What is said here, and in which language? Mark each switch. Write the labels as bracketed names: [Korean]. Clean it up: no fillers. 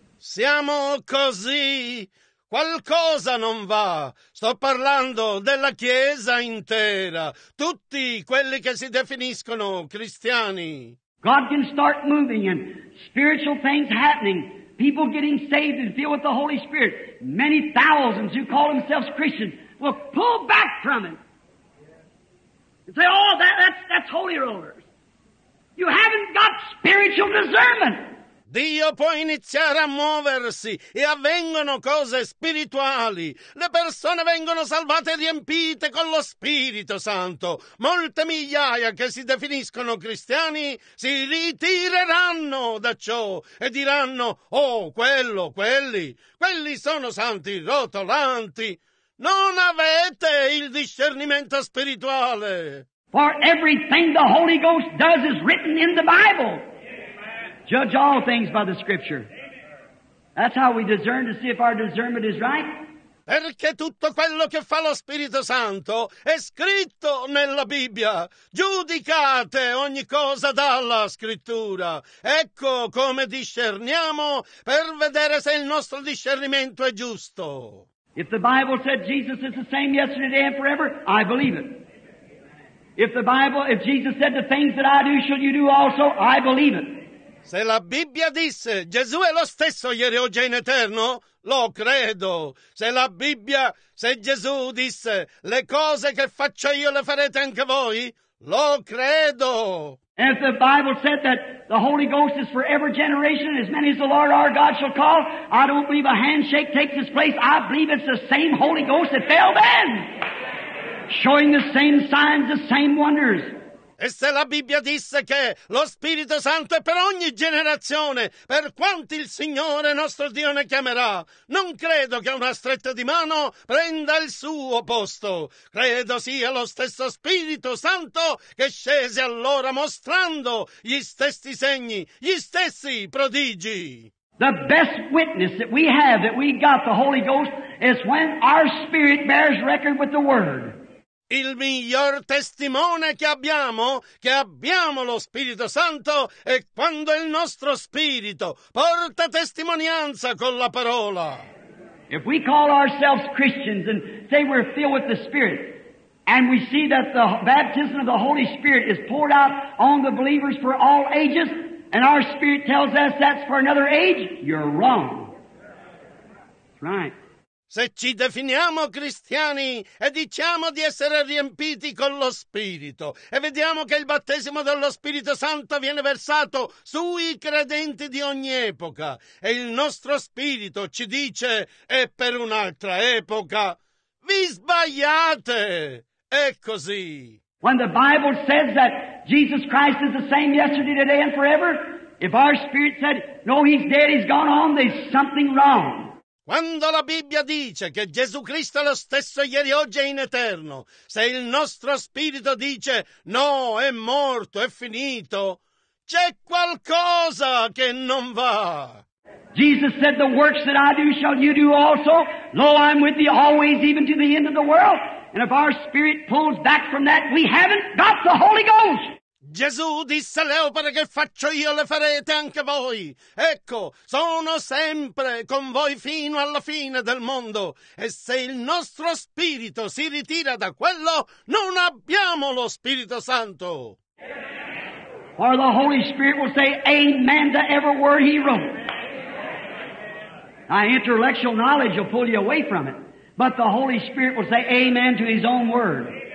[Italian] Siamo così, Qualcosa non va. Sto parlando della Chiesa intera. Tutti quelli che si definiscono cristiani. [English] God can start moving and spiritual things happening. People getting saved and filled with the Holy Spirit. Many thousands who call themselves Christians will pull back from it. And say, oh, that's holy rollers. You haven't got spiritual discernment. [Italian] Dio può iniziare a muoversi e avvengono cose spirituali. Le persone vengono salvate e riempite con lo Spirito Santo. Molte migliaia che si definiscono cristiani si ritireranno da ciò e diranno, oh, quelli sono santi rotolanti. Non avete il discernimento spirituale. [English] For everything the Holy Ghost does is written in the Bible. Judge all things by the Scripture. That's how we discern to see if our discernment is right. [Italian] Perché tutto quello che fa lo Spirito Santo è scritto nella Bibbia. Giudicate ogni cosa dalla Scrittura. Ecco come discerniamo per vedere se il nostro discernimento è giusto. [English] If the Bible said Jesus is the same yesterday, today, and forever, I believe it. If Jesus said the things that I do, shall you do also, I believe it. [Italian] Se la Bibbia disse Gesù è lo stesso ieri, oggi e in eterno, lo credo. Se Gesù disse le cose che faccio io le farete anche voi, lo credo. [English] And if the Bible said that the Holy Ghost is for every generation, as many as the Lord our God shall call, I don't believe a handshake takes its place. I believe it's the same Holy Ghost that fell then, showing the same signs, the same wonders. [Italian] E se la Bibbia disse che lo Spirito Santo è per ogni generazione, per quanti il Signore nostro Dio ne chiamerà, non credo che una stretta di mano prenda il suo posto. Credo sia lo stesso Spirito Santo che scese allora mostrando gli stessi segni, gli stessi prodigi. [English] The best witness that we have that we got the Holy Ghost is when our spirit bears record with the Word. [Italian] Il miglior testimone che abbiamo lo Spirito Santo, è quando il nostro spirito porta testimonianza con la parola. [English] If we call ourselves Christians and say we're filled with the Spirit, and we see that the baptism of the Holy Spirit is poured out on the believers for all ages, and our spirit tells us that's for another age, you're wrong. That's right. [Italian] Se ci definiamo cristiani e diciamo di essere riempiti con lo Spirito e vediamo che il battesimo dello Spirito Santo viene versato sui credenti di ogni epoca e il nostro spirito ci dice è per un'altra epoca, vi sbagliate! È così! [English] When the Bible says that Jesus Christ is the same yesterday, today and forever, if our spirit said, no, he's dead, he's gone on, there's something wrong. [Italian] Quando la Bibbia dice che Gesù Cristo è lo stesso ieri, oggi e in eterno, se il nostro spirito dice no, è morto, è finito, c'è qualcosa che non va. [English] Jesus said, the works that I do shall you do also. Lo, I'm with thee always, even to the end of the world. And if our spirit pulls back from that, we haven't got the Holy Ghost. [Italian] Gesù disse, le opere che faccio io le farete anche voi. Ecco, sono sempre con voi fino alla fine del mondo. E se il nostro spirito si ritira da quello, non abbiamo lo Spirito Santo. [English] For the Holy Spirit will say amen to every word he wrote. My intellectual knowledge will pull you away from it. But the Holy Spirit will say amen to his own word.